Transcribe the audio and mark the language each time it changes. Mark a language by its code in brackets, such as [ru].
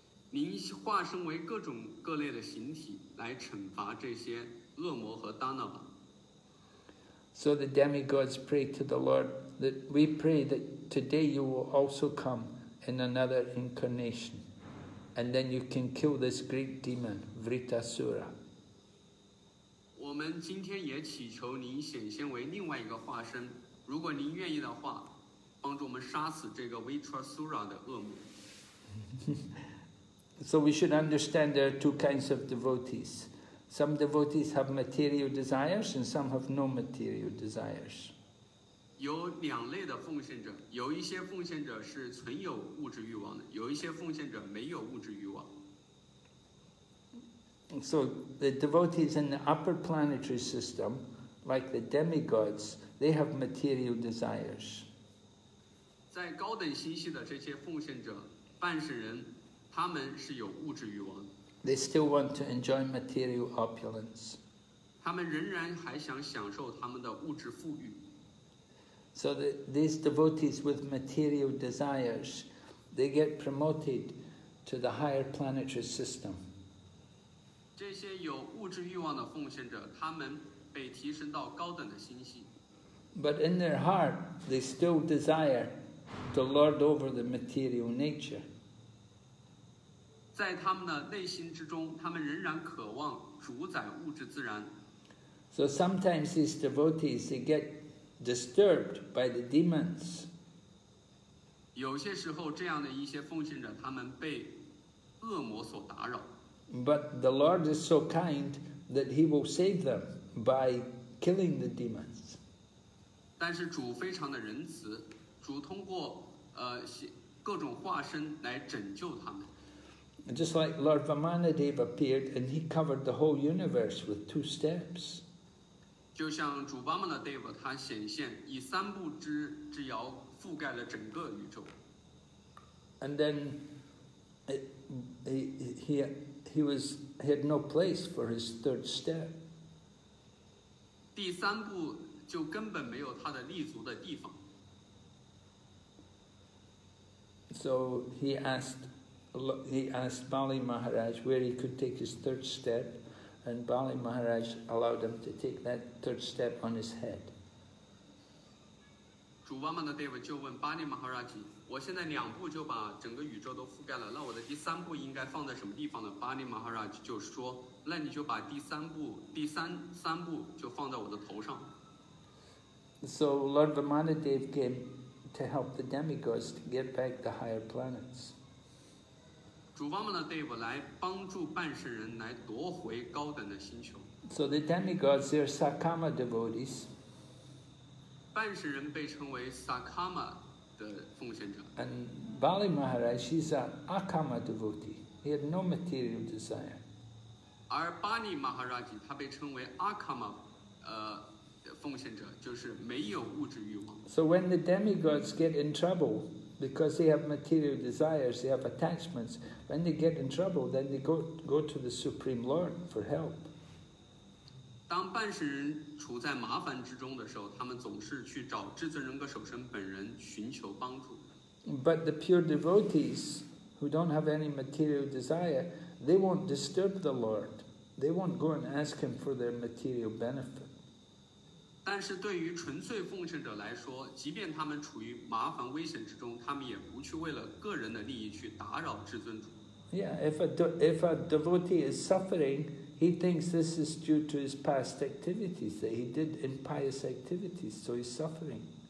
[zh] 您化身为各种各类的形体来惩罚这些恶魔和 Danava。 [en] So the demigods pray to the Lord that we pray that today you will also come in another incarnation. And then you can kill this great demon, Vritasura. [zh] 我们今天也祈求您显现为另外一个化身。如果您愿意的话，帮助我们杀死这个 Vritasura 的恶魔。 [en] So we should understand there are two kinds of devotees. Some devotees have material desires and some have no material desires. [zh] 有两类的奉献者，有一些奉献者是存有物质欲望的，有一些奉献者没有物质欲望。 [en] So the devotees in the upper planetary system, like the demigods, they have material desires. [zh] 在高等星系的这些奉献者，办事人，他们是有物质欲望的。 [en] They still want to enjoy material opulence. [zh] 他们仍然还想享受他们的物质富裕。 [en] So that these devotees with material desires, they get promoted to the higher planetary system. [zh] 这些有物质欲望的奉献者，他们被提升到高等的星系。 [en] But in their heart, they still desire to lord over the material nature. [zh] 在他们的内心之中，他们仍然渴望主宰物质自然。 [en] So sometimes these devotees, they get disturbed by the demons. [zh] 有些时候这样的一些奉献者他们被恶魔所打扰。 [en] But the Lord is so kind that he will save them by killing the demons. [zh] 但是主非常的仁慈，主通过各种化身来拯救他们。 [en] Just like Lord Vamanadeva appeared and he covered the whole universe with two steps. [zh] 就像主巴曼的 Dave 他显现以三步之遥覆盖了整个宇宙。 [en] And then he had no place for his third step. [zh] 第三步就根本没有他的立足的地方。 [en] So he asked Bali Maharaj where he could take his third step, and Bali Maharaj allowed him to take that third step on his head. [zh] 主巴曼的 Deva 就问巴利马哈拉吉，我现在两步就把整个宇宙都覆盖了，那我的第三步应该放在什么地方呢？巴利马哈拉吉就说，那你就把第三步就放在我的头上。 [en] So Lord Vamanadeva came to help the demigods to get back the higher planets. [zh] 主巴曼的 Deva 来帮助半圣人来夺回高等的星球。 [en] So the demigods, they are Sakama devotees. [zh] 半神人被称为 Sakama 的奉献者。 [en] And Bali Maharaj, he's an Akama devotee. He had no material desire. [zh] 而 Bali Maharaj, 他被称为 Akama 奉献者，就是没有物质欲望。 [en] So when the demigods get in trouble, because they have material desires, they have attachments, when they get in trouble, then they go to the Supreme Lord for help. [zh] 当半神人处在麻烦之中的时候，他们总是去找至尊人格守身本人寻求帮助。 [en] But the pure devotees who don't have any material desire, they won't disturb the Lord. They won't go and ask him for their material benefit. [zh] 但是对于纯粹奉献者来说，即便他们处于麻烦危险之中，他们也不去为了个人的利益去打扰至尊主。 [en] Yeah, if a devotee is suffering,He thinks this is due to his past activities that he did impious activities, so he's suffering.